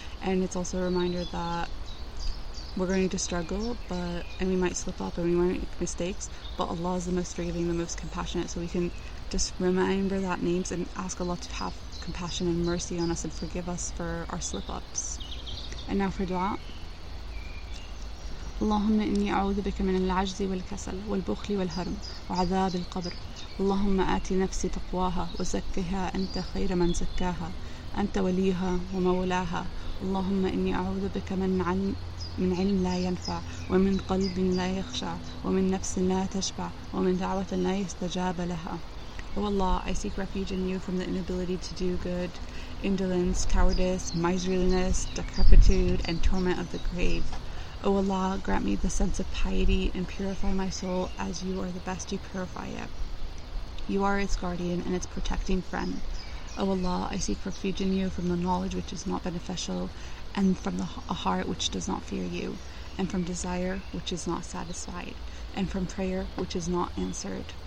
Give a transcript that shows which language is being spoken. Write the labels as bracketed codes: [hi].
[en] And it's also a reminder that we're going to struggle, and we might slip up and we might make mistakes, but Allah is the most forgiving, the most compassionate. So we can just remember that names and ask Allah to have compassion and mercy on us and forgive us for our slip-ups. And now for dua. [ar] اللهم إني أعوذ بك من العجز والكسل والبخل والهرم وعذاب القبر اللهم آتي نفسي تقواها وزكها أنت خير من زكاها أنت وليها ومولاها اللهم إني أعوذ بك من علم لا ينفع ومن قلب لا يخشع ومن نفس لا تشبع ومن دعوة لا يستجاب لها. [en] Oh Allah, I seek refuge in you from the inability to do good, indolence, cowardice, miserliness, decrepitude, and torment of the grave. O Allah, grant me the sense of piety and purify my soul as you are the best you purify it. You are its guardian and its protecting friend. O Allah, I seek refuge in you from the knowledge which is not beneficial, and from a heart which does not fear you, and from desire which is not satisfied, and from prayer which is not answered.